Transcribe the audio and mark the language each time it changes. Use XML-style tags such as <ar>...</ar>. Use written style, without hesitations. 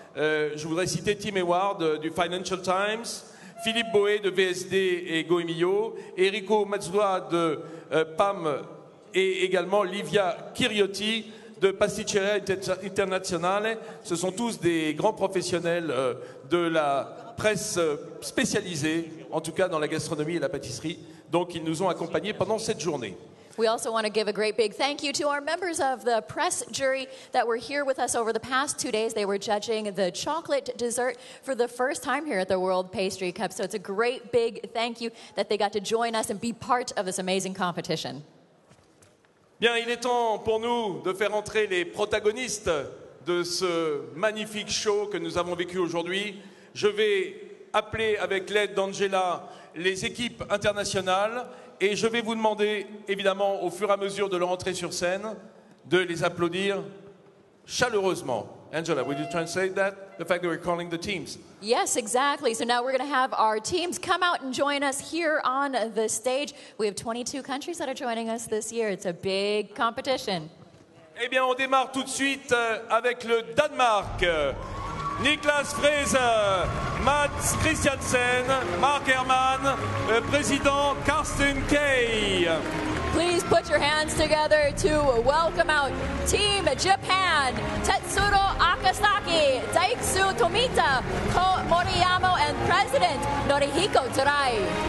<fr>Je voudrais citer Tim Eward du Financial Times, Philippe Boé de VSD et Goemio, Eriko Matsua de PAM et également Livia Kiriotti de Pasticceria Internazionale. Ce sont tous des grands professionnels de la presse spécialisée, en tout cas dans la gastronomie et la pâtisserie. Donc ils nous ont accompagnés pendant cette journée.</fr> <en>We also want to give a great big thank you to our members of the press jury that were here with us over the past 2 days. They were judging the chocolate dessert for the first time here at the World Pastry Cup. So it's a great big thank you that they got to join us and be part of this amazing competition.</en> <fr>Bien, il est temps pour nous de faire entrer les protagonistes de ce magnifique show que nous avons vécu aujourd'hui. Je vais appeler avec l'aide d'Angela les équipes internationales. Et je vais vous demander, évidemment, au fur et à mesure de leur entrée sur scène, de les applaudir chaleureusement.</fr> <en>Angela, would you translate that? The fact that we're calling the teams. Yes, exactly. So now we're going to have our teams come out and join us here on the stage. We have 22 countries that are joining us this year. It's a big competition.</en> <fr>Eh bien, on démarre tout de suite avec le Danemark. Niklas Fraser, Mats Christiansen, Mark Herman, President Carsten Kay.</fr> <en>Please put your hands together to welcome out Team Japan, Tetsuro Akasaki, Daitsu Tomita, Ko Moriyama, and President Norihiko Terai.</en>